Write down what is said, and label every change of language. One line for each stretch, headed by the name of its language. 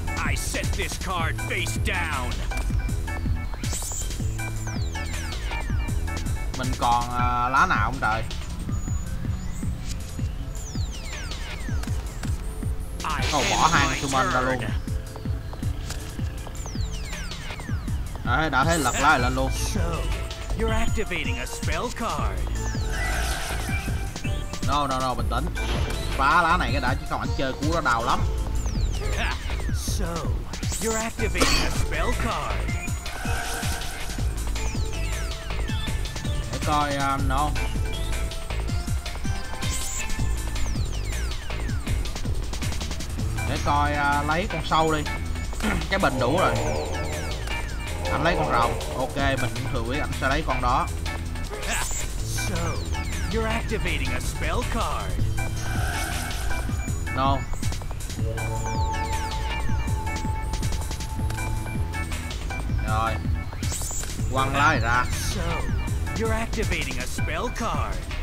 English: I set this card face down.
Vietnamese: Mình còn lá nào không trời? Ôi bỏ hai con summon ra luôn. Đấy, đã thấy lật lá lên luôn.
English: So, you're activating a spell card. No no no,
Vietnamese: bình tĩnh. Phá lá này cái đã chứ không ảnh chơi cú nó đau lắm.
English: So, you're activating a spell card.
Vietnamese: Để coi no. Để coi lấy con sâu đi. Cái bình đủ rồi. Anh lấy con rồng. Ok, mình cũng thừa biết anh sẽ lấy con đó.
English: So, you're activating a spell card. No.
Vietnamese: Rồi. Quăng lá ra.
English: So, you're activating a spell card.